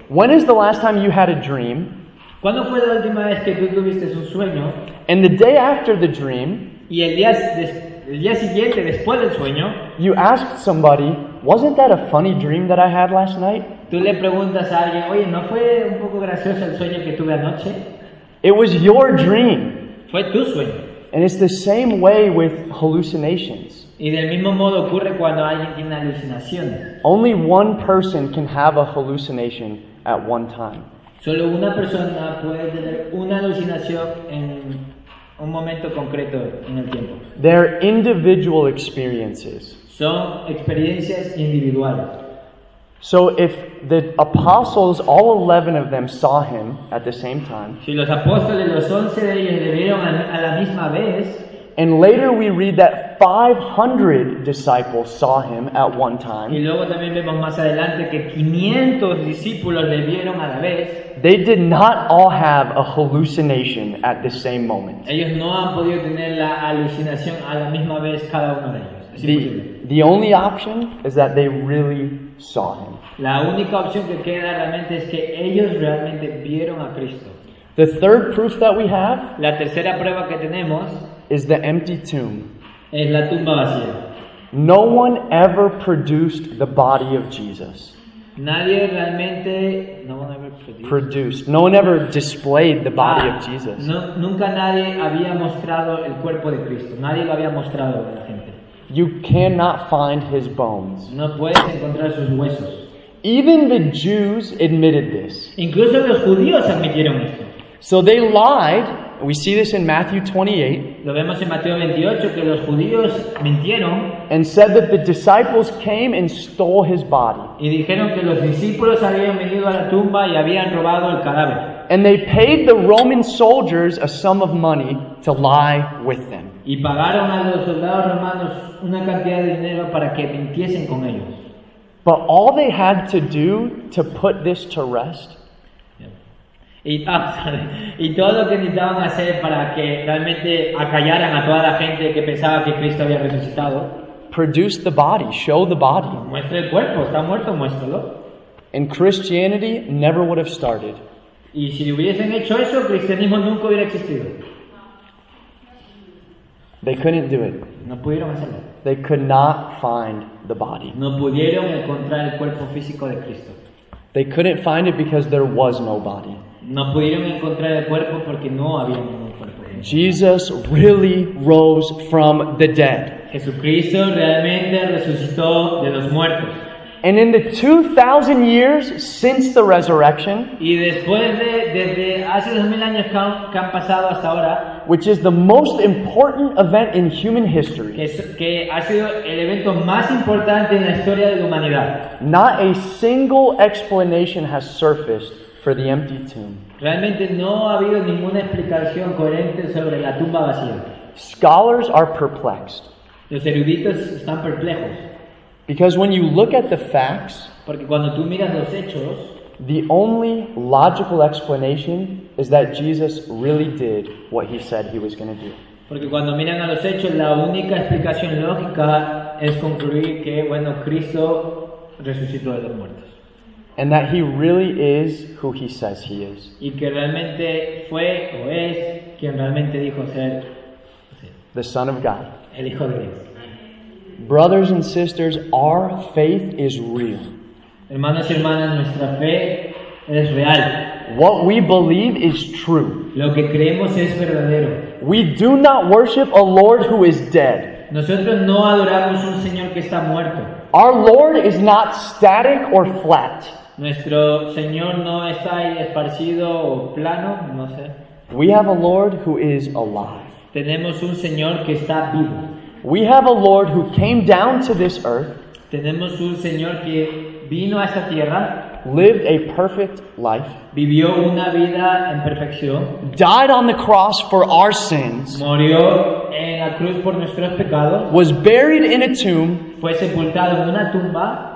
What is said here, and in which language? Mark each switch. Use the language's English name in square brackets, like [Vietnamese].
[English] When is the last time you had a dream? [Spanish] ¿Cuándo fue la última vez que tú tuviste un sueño? [English] And the day after the dream, [Spanish] y el día siguiente después del sueño, [English] you asked somebody, wasn't that a funny dream that I had last night? [Spanish] Tú le preguntas a alguien, oye, ¿no fue un poco gracioso el sueño que tuve anoche? [English] It was your dream. [Spanish] Fue tu sueño. [English] And it's the same way with hallucinations. [Spanish] Y del mismo modo ocurre cuando alguien tiene alucinaciones. [English] Only one person can have a hallucination at one time. [Spanish] Solo una persona puede tener una alucinación en un momento concreto en el tiempo. [English] They're individual experiences. [Spanish] Son experiencias individuales. [English] So if the apostles, all 11 of them, saw him at the same time, [Spanish] si los apóstoles, los 11 de ellos le vieron a la misma vez, [English] and later we read that 500 disciples saw him at one time, [Spanish] y luego también vemos más adelante que 500 discípulos le vieron a la vez, [English] they did not all have a hallucination at the same moment. [Spanish] Ellos no han podido tener la alucinación a la misma vez cada uno de ellos. [English] The only option is that they really saw him. [Spanish] La única opción que queda realmente es que ellos realmente vieron a Cristo. [English] The third proof that we have, [Spanish] la tercera prueba que tenemos, [English] is the empty tomb. [Spanish] Es la tumba vacía. [English] No one ever produced the body of Jesus. [Spanish] Nadie realmente, [English] no one ever produced. No one ever displayed the body of Jesus. [Spanish] No, nunca nadie había mostrado el cuerpo de Cristo. Nadie lo había mostrado a la gente. [English] You cannot find his bones. [Spanish] No puedes encontrar sus huesos. [English] Even the Jews admitted this. [Spanish] Incluso los judíos admitieron esto. [English] So they lied. We see this in Matthew 28. [Spanish] Lo vemos en Mateo 28 que los judíos mintieron. [English] And said that the disciples came and stole his body. [Spanish] Y dijeron que los discípulos habían venido a la tumba y habían robado el cadáver. [English] And they paid the Roman soldiers a sum of money to lie with them. [Spanish] Y pagaron a los soldados romanos una cantidad de dinero para que mintiesen con ellos. [English] But all they had to do to put this to rest. [Spanish] Y todo lo que necesitaban hacer para que realmente acallaran a toda la gente que pensaba que Cristo había resucitado. [English] Produce the body, show the body. [Spanish] Muestre el cuerpo, está muerto, muéstralo. [English] And Christianity never would have started. [Spanish] Y si hubiesen hecho eso, el cristianismo nunca hubiera existido. [English] They couldn't do it. [Spanish] No pudieron hacerlo. [English] They could not find the body. [Spanish] No pudieron encontrar el cuerpo físico de Cristo. [English] They couldn't find it because there was no body. [Spanish] No pudieron encontrar el cuerpo porque no había ningún cuerpo. [English] Jesus really rose from the dead. [Spanish] Jesucristo realmente resucitó de los muertos. [English] And in the 2,000 years since the resurrection, [Spanish] y después de, desde hace 2,000 años que han pasado hasta ahora, [English] which is the most important event in human history, [Spanish] que ha sido el evento más importante en la historia de la humanidad, [English] not a single explanation has surfaced for the empty tomb. [Spanish] Realmente no ha habido ninguna explicación coherente sobre la tumba vacía. [English] Scholars are perplexed. [Spanish] Los eruditos están perplejos. [English] Because when you look at the facts, [Spanish] porque cuando tú miras los hechos, [English] the only logical explanation is that Jesus really did what he said he was going to do. [Spanish] Porque cuando miran a los hechos, la única explicación lógica es concluir que, bueno, Cristo resucitó de los muertos. [English] And that he really is who he says he is. [Spanish] Y que realmente fue o es quien realmente dijo ser, [English] the Son of God. [Spanish] El Hijo de Dios. [English] Brothers and sisters, our faith is real. [Spanish] Hermanos y hermanas, nuestra fe es real. [English] What we believe is true. [Spanish] Lo que creemos es verdadero. [English] We do not worship a Lord who is dead. [Spanish] Nosotros no adoramos un Señor que está muerto. [English] Our Lord is not static or flat. [Spanish] Nuestro Señor no está ahí esparcido o plano, no sé. [English] We have a Lord who is alive. [Spanish] Tenemos un Señor que está vivo. [English] We have a Lord who came down to this earth. [Spanish] Tenemos un Señor que vino a esta tierra. [English] Lived a perfect life. [Spanish] Vivió una vida en perfección. [English] Died on the cross for our sins. [Spanish] Murió en la cruz por nuestros pecados. [English] Was buried in a tomb. [Spanish] Fue sepultado en una tumba.